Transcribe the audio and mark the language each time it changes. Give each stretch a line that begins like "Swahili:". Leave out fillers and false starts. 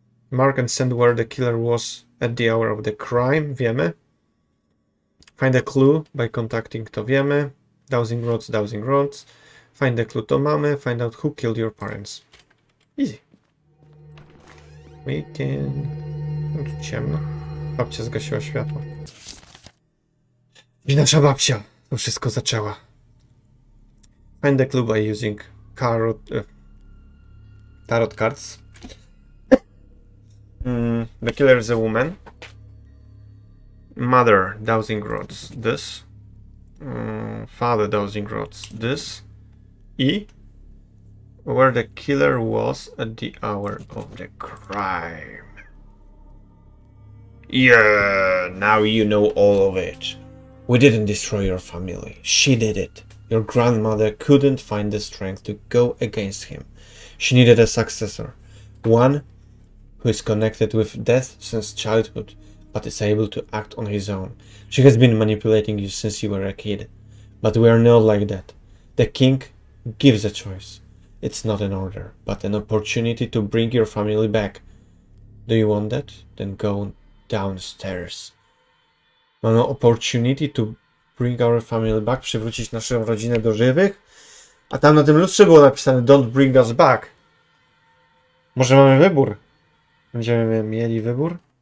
English: Mark and send where the killer was at the hour of the crime.
Polish: Wiemy.
English: Find a clue by contacting.
Polish: To wiemy.
English: Dowsing Rods, Dowsing Rods. Find the clue,
Polish: to mamy.
English: Find out who killed your parents. Easy. Weekend.
Polish: Tu ciemno. Babcia zgasiła światło. I nasza babcia to wszystko zaczęła.
English: Find the clue by using tarot cards. The killer is a woman. Mother, dowsing rods, this. Father, dowsing rods, this. I where the killer was at the hour of the crime. Yeah, now you know all of it. We didn't destroy your family. She did it. Your grandmother couldn't find the strength to go against him. She needed a successor. One who is connected with death since childhood, but is able to act on his own. She has been manipulating you since you were a kid. But we are not like that. The king gives a choice. It's not an order, but an opportunity to bring your family back. Do you want that? Then go downstairs.
Polish: Mamy
English: opportunity to bring our family back,
Polish: przywrócić naszą rodzinę do żywych. A tam na tym lustrze było napisane
English: don't bring us back.
Polish: Może mamy wybór? Będziemy mieli wybór?